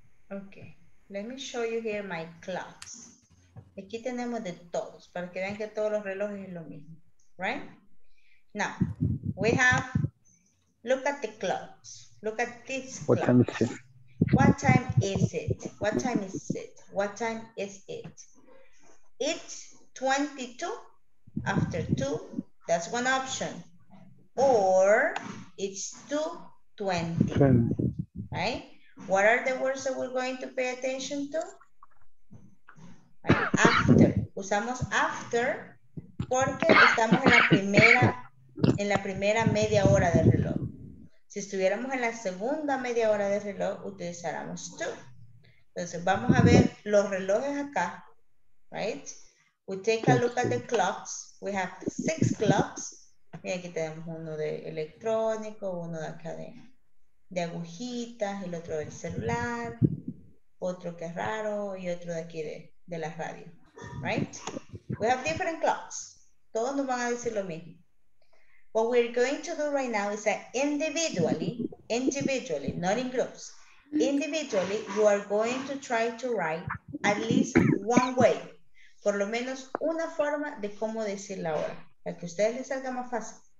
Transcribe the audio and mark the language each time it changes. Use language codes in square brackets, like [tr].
[en] Okay, let me show you here my clocks. [es] Aquí tenemos de todos, para que vean que todos los relojes es lo mismo. [en] Right? Now, we have, look at the clocks. Look at this clock. What time is it? What time is it? What time is it? What time is it? It's 22 after 2. That's one option. Or it's 2:20. Right? What are the words that we're going to pay attention to? Right? After. [es] Usamos after porque estamos en la primera media hora del reloj. Si estuviéramos en la segunda media hora del reloj, utilizaríamos to. Entonces, vamos a ver los relojes acá. Right? [en] We take a look at the clocks. We have 6 clocks. [es] Y aquí tenemos uno de electrónico, uno de acá de agujitas, el otro del celular, otro que es raro y otro de aquí de la radio. [en] Right? We have different clocks. [es] Todos nos van a decir lo mismo. [en] What we're going to do right now is that individually, not in groups, individually, you are going to try to write at least one way. [es] Por lo menos una forma de cómo decir la hora. Para que a ustedes les salga más fácil.